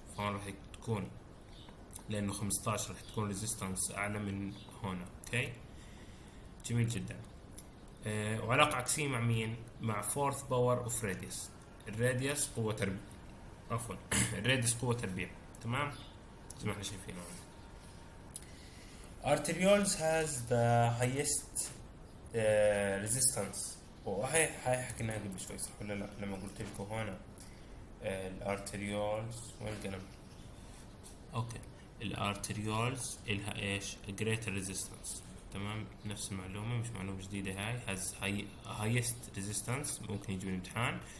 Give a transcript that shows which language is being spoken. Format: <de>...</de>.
<ar>فهون راح تكون، لانه 15 راح تكون ريزيستنس اعلى من هون. اوكي جميل جدا. وعلاقة عكسية مع مين؟ مع فورث باور اوف راديوس. الراديوس قوة تربيع، عفوا الراديوس قوة تربيع، تمام زي ما احنا شايفين هون.</ar> <en>Arterioles has the highest resistance.</en> <ar>وهي هاي حكيناها قبل شوي صح ولا لا؟ لما قلت لكم هون الارتريولز وين القلم؟ اوكي الارتريولز لها ايش؟ جريتر ريزيستنس، تمام نفس المعلومه مش معلومه جديده.</ar> <en>هاي has highest resistance,</en> <ar>ممكن يجي من الامتحان.</ar>